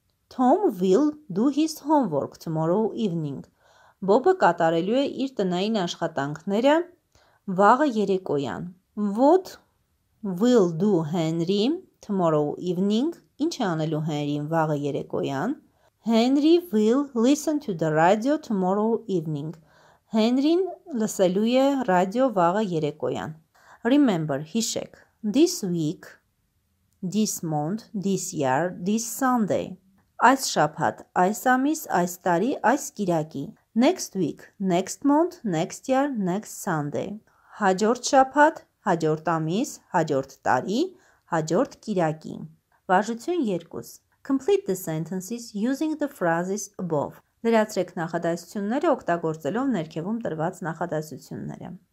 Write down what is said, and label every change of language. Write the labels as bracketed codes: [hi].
[en] Tom will do his homework tomorrow evening. [hy] Bob-ը կատարելու է իր տնային աշխատանքները վաղը երեկոյան։ [en] What will do Henry tomorrow evening? [hy] Ինչ է անելու Henry-ն վաղը երեկոյան? [en] Henry will listen to the radio tomorrow evening. [hy] Henry-ն լսելու է ռադիո վաղը երեկոյան։ [en] Remember, [hy] հիշեք. [en] This week, this month, this year, this Sunday. [hy] Այս շաբաթ, այս ամիս, այս տարի, այս կիրակի. [en] Next week, next month, next year, next Sunday. [hy] Հաջորդ շաբաթ, հաջորդ ամիս, հաջորդ տարի, հաջորդ կիրակի. Վարժություն 2. [en] Complete the sentences using the phrases above. [hy] Լրացրեք նախադասությունները օգտագործելով ներքևում տրված նախադասությունները.